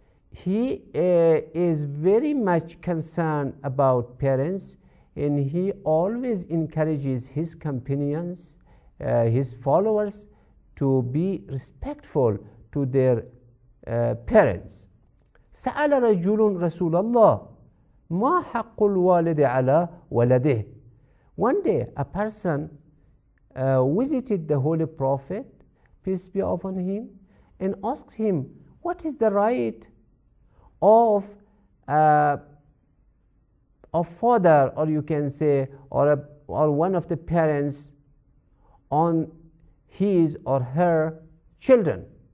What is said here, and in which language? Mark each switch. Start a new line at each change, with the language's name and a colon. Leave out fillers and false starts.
English: He is very much concerned about parents and he always encourages his companions, his followers, to be respectful to their parents.
Arabic: سأل رجل رسول الله ما حق الوالد على ولده.
English: One day a person visited the Holy Prophet, peace be upon him, and asked him, what is the right of a father, or you can say, or one of the parents on his or her children?